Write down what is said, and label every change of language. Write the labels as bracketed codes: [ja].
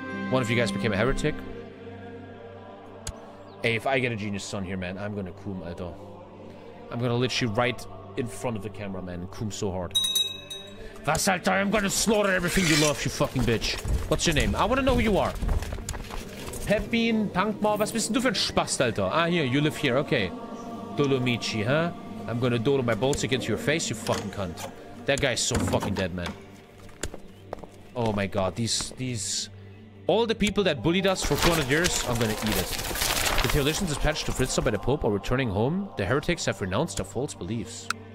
[en] One of you guys became a heretic. Hey, if I get a genius son here, man, I'm gonna coom at all. I'm gonna literally right in front of the camera, man, and coom so hard. Vassalter, I'm gonna slaughter everything you love, you fucking bitch. What's your name? I wanna know who you are. [de] Pepin, Tankmauer, was bist du für ein Spast, Alter? [en] Ah, here, you live here, okay. Dolomichi, huh? I'm gonna dolo my bolts against your face, you fucking cunt. That guy's so fucking dead, man. Oh my god, these... All the people that bullied us for 400 years, I'm gonna eat it. The theologians dispatched to Fritzl by the Pope are returning home. The heretics have renounced their false beliefs.